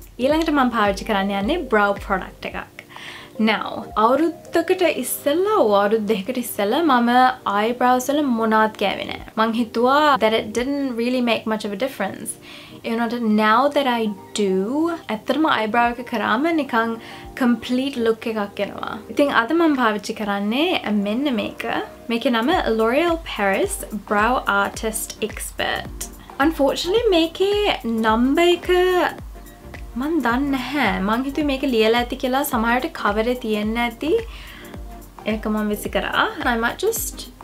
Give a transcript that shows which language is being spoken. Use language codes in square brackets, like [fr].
[si] ඊළඟට මම පාවිච්චි කරන්න යන්නේ brow product එකක්. Now, අවුරුද්දකට ඉස්සෙල්ලා අවුරුදු දෙකකට ඉස්සෙල්ලා මම eyebrows වල මොනාත් ගෑවේ නැහැ. මං හිතුවා [en] that it didn't really make much of a difference. You know, now that I do, [si] ඇත්තටම eyebrow එක කරාම නිකන් complete look එකක් එනවා. ඉතින් අද මම පාවිච්චි කරන්නේ මෙන්න මේක. මේකේ නම L'Oreal Paris Brow Artist Xpert. Unfortunately, මේකේ number එක මන් දන්නේ නැහැ මං හිතුවේ මේක ලියලා ඇති කියලා සමහරට කවරේ තියෙන්නේ නැති ඒක මම විසි කරා [en] I might just